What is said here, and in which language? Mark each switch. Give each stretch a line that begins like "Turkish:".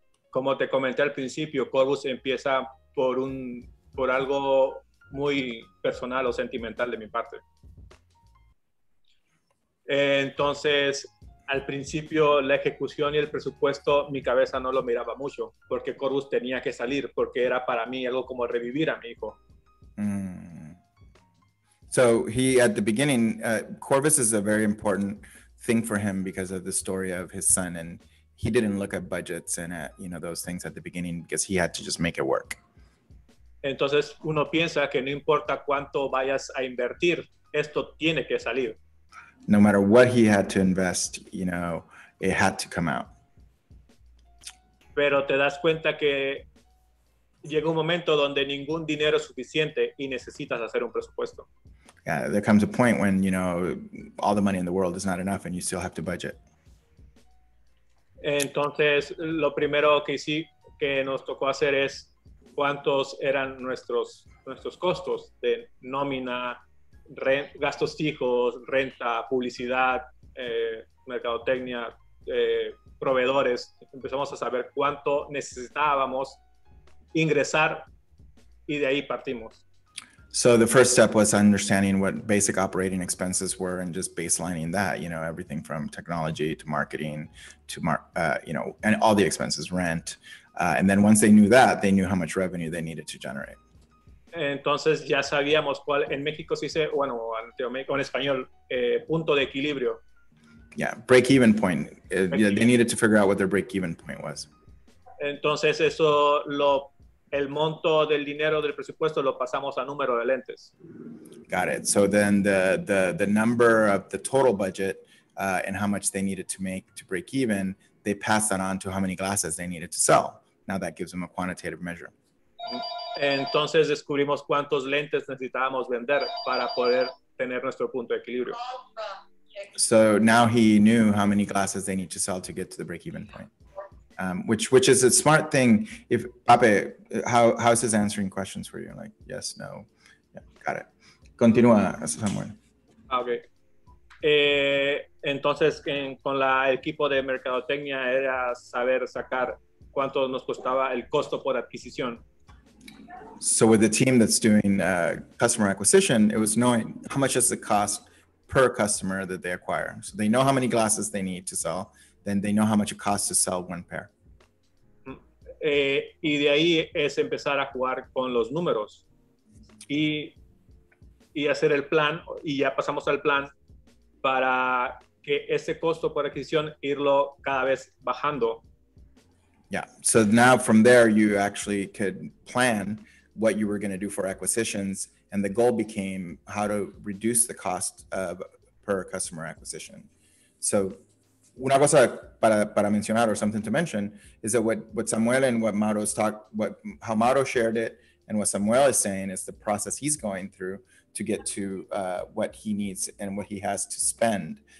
Spanish: Como te comenté al principio, Corvus empieza por algo muy personal o sentimental de mi parte. Entonces, al principio, la ejecución y el presupuesto, mi cabeza no lo miraba mucho, porque Corvus tenía que salir, porque era para mí algo como revivir a mi hijo. Mm.
English: So, at the beginning, Corvus is a very important thing for him because of the story of his son, and he didn't look at budgets and at, you know, those things at the beginning, because he had to just make it work.
Spanish: Entonces, uno piensa que no importa cuánto vayas a invertir, esto tiene que salir.
English: No matter what he had to invest, you know, it had to come out.
Spanish: Pero te das cuenta que llega un momento donde ningún dinero es suficiente y necesitas hacer un presupuesto.
English: Yeah, there comes a point when, you know, all the money in the world is not enough and you still have to budget.
Spanish: Entonces, lo primero que nos tocó hacer es cuántos eran nuestros costos de nómina, gastos fijos, renta, publicidad, mercadotecnia, proveedores. Empezamos a saber cuánto necesitábamos ingresar y de ahí partimos.
English: So the first step was understanding what basic operating expenses were and just baselining that, you know, everything from technology to marketing to, you know, and all the expenses, rent. And then once they knew that, they knew how much revenue they needed to generate.
Spanish: Entonces ya sabíamos cuál, en México se dice, bueno, en español, punto de equilibrio.
English: Yeah, break-even point. They needed to figure out what their break-even point was.
Spanish: Entonces eso, el monto del dinero del presupuesto lo pasamos a número de lentes.
English: Got it. So then the number of the total budget and how much they needed to make to break-even, they passed that on to how many glasses they needed to sell. Now that gives them a quantitative measure.
Spanish: Entonces descubrimos cuántos lentes necesitábamos vender para poder tener nuestro punto de equilibrio.
English: So now he knew how many glasses they need to sell to get to the break-even point, which is a smart thing. If Pape, how is this answering questions for you? Like yes, no, yeah, got it.
Spanish: Continúa,
English: Samuel. Okay.
Spanish: Entonces con el equipo de mercadotecnia era saber sacar cuánto nos costaba el costo por adquisición.
English: So with the team that's doing customer acquisition, it was knowing how much does it cost per customer that they acquire. So they know how many glasses they need to sell, then they know how much it costs to sell one pair.
Spanish: Y de ahí es empezar a jugar con los números y hacer el plan, y ya pasamos al plan para que ese costo por adquisición irlo cada vez bajando.
English: Yeah, so now from there you actually could plan what you were going to do for acquisitions, and the goal became how to reduce the cost of per customer acquisition. So
Spanish: una cosa para mencionar,
English: or something to mention, is that what Samuel and what Mauro's talk, what how Mauro shared it and what Samuel is saying is the process he's going through to get to what he needs and what he has to spend.